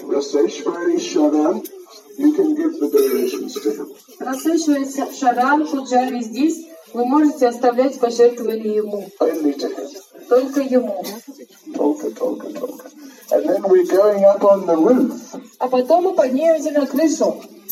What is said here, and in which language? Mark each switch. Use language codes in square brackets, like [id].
[en] Rasheshwari Sharan, you can give the donations to him. [ru] Rasheshwari Sharan pujari здесь. Вы можете оставлять пожертвование ему. [en] Only to him. [ru] Только ему. [en] Talk. And then we're going up on the roof. [ru] А потом мы поднимемся на крышу.